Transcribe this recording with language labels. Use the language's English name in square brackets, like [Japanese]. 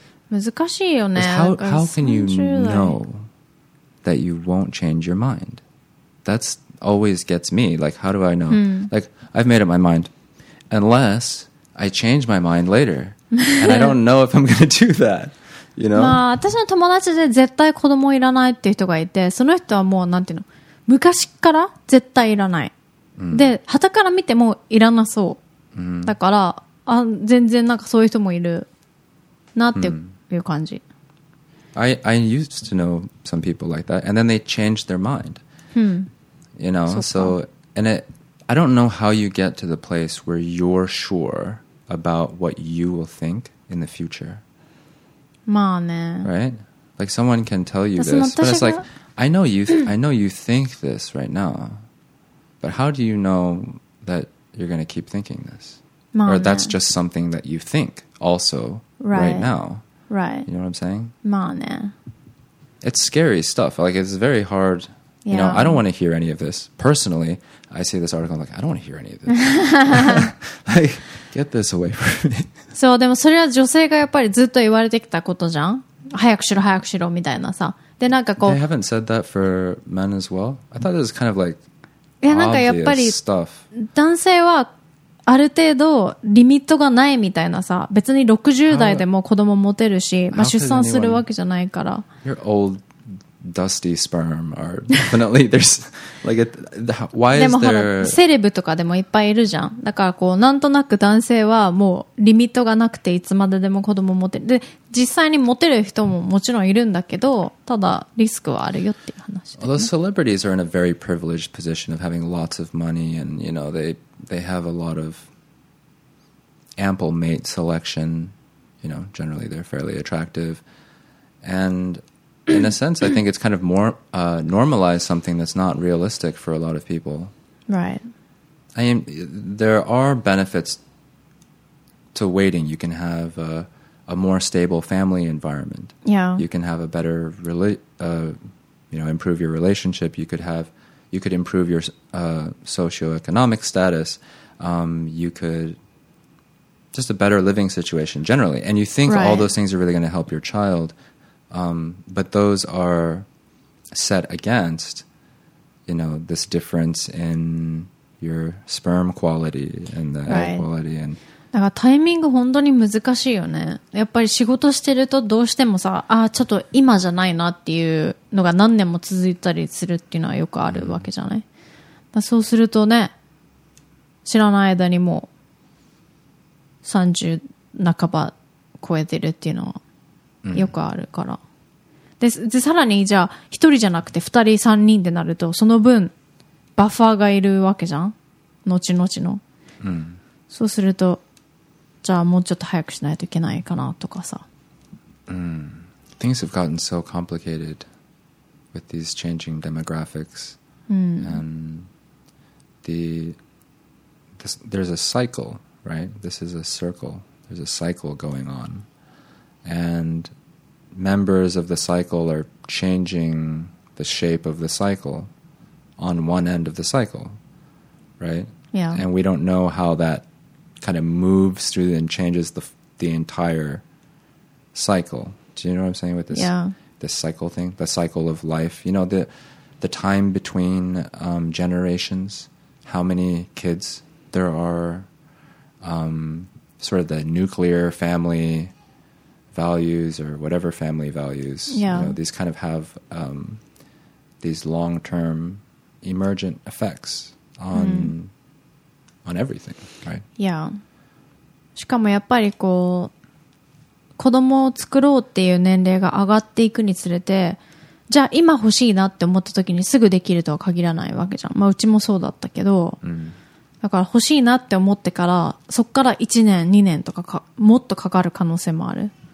[Japanese] 難しいよね。 [English] How can you know that you won't change your mind? That's always gets me. Like, how do I know? Mm. Like, I've made up my mind. Unless I change my mind later. And I don't know if I'm going to do that. You know? [Japanese] まあ、私の友達で絶対子供いらないっていう人がいて、その人はもう、なんていうの、昔から絶対いらない。 Mm. で、旗から見てもいらなそう。 Mm. だから、あ、全然なんかそういう人もいる。なっていう感じ。 [English] I used to know some people like that, and then they changed their mind. You know, so, and it, I don't know how you get to the place where you're sure about what you will think in the future. [Japanese] まあね。 [English] Right? Like someone can tell you this, but it's like, I know you think this right now, but how do you know that you're going to keep thinking this? [Japanese] まあね。 [English] Or that's just something that you think also. Right now. Right. You know what I'm saying? [Japanese] まあね。 [English] It's scary stuff. Like, it's very hard. Yeah. You know, I don't want to hear any of this. Personally, I see this article, I'm like, I don't want to hear any of this. Like, get this away from me. [Japanese] そう、でもそれは女性がやっぱりずっと言われてきたことじゃん。早くしろ、早くしろ、みたいなさ。で、なんかこう。 [English] They haven't said that for men as well? I thought it was kind of like, [Japanese] いや、なんかやっぱり [English] obvious stuff. [Japanese] 男性は、ある程度リミットがないみたいなさ、別に60代でも子供持てるし、まあ、出産するわけじゃないから。 [English] Your old dusty sperm are definitely there's like a, why is there? [Japanese] でもセレブとかでもいっぱいいるじゃん。だからこうなんとなく男性はもうリミットがなくていつまででも子供持てる。で実際に持てる人ももちろんいるんだけど、ただリスクはあるよっていう話、ね。 [English] Well, the celebrities are in a very privileged position of having lots of money and you know they have a lot of ample mate selection. You know, generally they're fairly attractive. And in a sense, I think it's kind of more normalized something that's not realistic for a lot of people. Right. I mean, there are benefits to waiting. You can have a more stable family environment. Yeah. You can have a better, improve your relationship. You could improve your socioeconomic status. You could just a better living situation generally. And you think right. all those things are really going to help your child. But those are set against, you know, this difference in your sperm quality and the right. egg quality. And [Japanese] だからタイミング本当に難しいよね。やっぱり仕事してるとどうしてもさ、ああちょっと今じゃないなっていうのが何年も続いたりするっていうのはよくあるわけじゃない。だそうするとね、知らない間にもう30半ば超えてるっていうのはよくあるから。でさらにじゃあ一人じゃなくて二人三人でなるとその分バッファーがいるわけじゃん。後々の。うん、そうすると。じゃあもうちょっと早くしないといけないかなとかさ。 Mm. [English] Things have gotten so complicated with these changing demographics、 mm. and there's a cycle, right? This is a circle. There's a cycle going on, and members of the cycle are changing the shape of the cycle on one end of the cycle, right? Yeah. And we don't know how that. Kind of moves through and changes the entire cycle. Do you know what I'm saying with this? Yeah. This cycle thing, the cycle of life. You know the time between generations, how many kids there are, sort of the nuclear family values or whatever family values. Yeah. You know, these kind of have these long-term emergent effects on.、Mm. On everything, right? Yeah. [Japanese] しかもやっぱりこう子供を作ろうっていう年齢が上がっていくにつれて、じゃあ今欲しいなって思った時にすぐできるとは限らないわけじゃん。まあうちもそうだったけど、 mm. だから欲しいなって思ってからそっから1年2年とかかもっとかかる可能性もある。